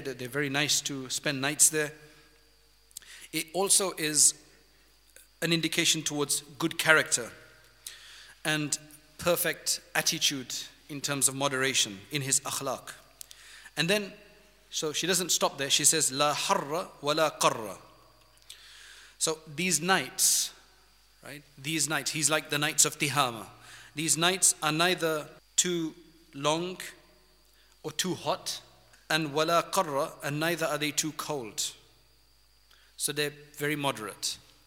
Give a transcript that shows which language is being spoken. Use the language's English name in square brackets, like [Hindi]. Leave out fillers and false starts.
[English] They're very nice to spend nights there. It also is an indication towards good character and perfect attitude in terms of moderation in his akhlaq. And then, so she doesn't stop there. She says, [Arabic] لا حر ولا قر. [English] So these knights, right? These knights, he's like the knights of Tihama. These knights are neither too long or too hot. And [Arabic] wala qarra, [English] and neither are they too cold. So they're very moderate.